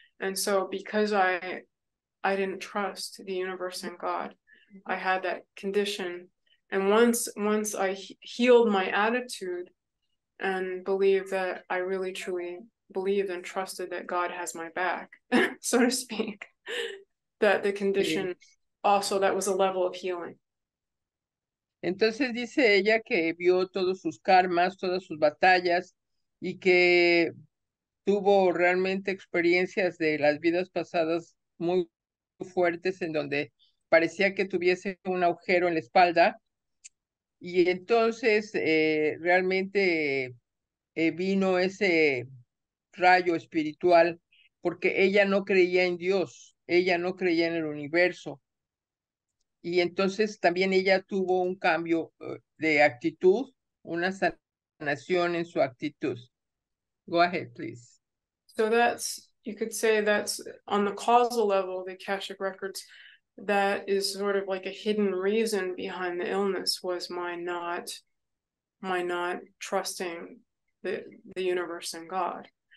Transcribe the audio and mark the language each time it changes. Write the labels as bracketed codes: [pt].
[en] And so because I didn't trust the universe and God, I had that condition. And once I healed my attitude and believed that I really truly believed and trusted that God has my back, so to speak, that the condition, yeah, also, that was a level of healing. [es] Entonces dice ella que vio todos sus karmas, todas sus batallas, y que tuvo realmente experiencias de las vidas pasadas muy fuertes, en donde parecía que tuviese un agujero en la espalda. Y entonces realmente vino ese rayo espiritual porque ella no creía en Dios, ella no creía en el universo. Y entonces también ella tuvo un cambio de actitud, una sanación en su actitud. [en] Go ahead, please. So that's, you could say that's on the causal level, the Akashic Records, that is sort of like a hidden reason behind the illness was my not trusting the universe and God.